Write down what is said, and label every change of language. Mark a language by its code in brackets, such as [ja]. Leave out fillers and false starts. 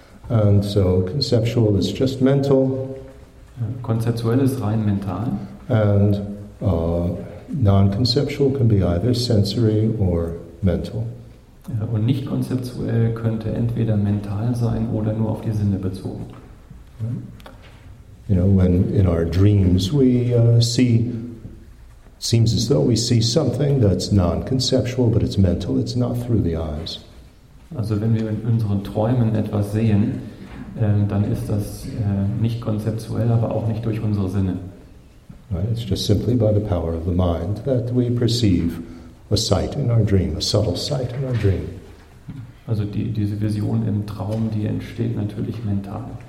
[en] And so conceptual is just mental. [de] Konzeptuell ist rein mental. [en] And non-conceptual can be either sensory or mental. [de] Und nicht konzeptuell könnte entweder mental sein oder nur auf die Sinne bezogen. [en] You know, when in our dreams we see, it seems as though we see something that's non-conceptual, but it's mental, it's not through the eyes. [de] Also wenn wir in unseren Träumen etwas sehen, dann ist das nicht konzeptuell, aber auch nicht durch unsere Sinne. [en] Right, it's just simply by the power of the mind that we perceive a sight in our dream, a subtle sight in our dream. [de] Also diese Vision im Traum, die entsteht natürlich mental.